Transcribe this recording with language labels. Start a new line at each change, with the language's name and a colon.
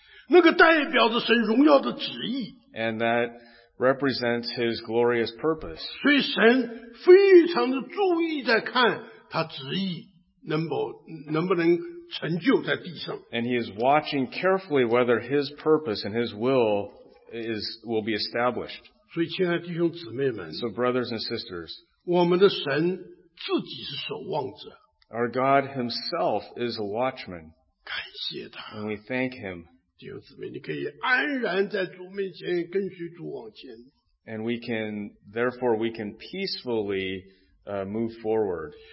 English: And that represents His glorious purpose. And He is watching carefully whether His purpose and His will will be established.
Chinese: 所以亲爱的弟兄姊妹们,
English: so brothers and sisters,
Chinese: 我们的神自己是守望者,
English: our God Himself is a watchman.
Chinese: 感谢他,
English: and we thank Him.
Chinese: 弟兄姊妹,
English: and we can, therefore, we can peacefully move forward.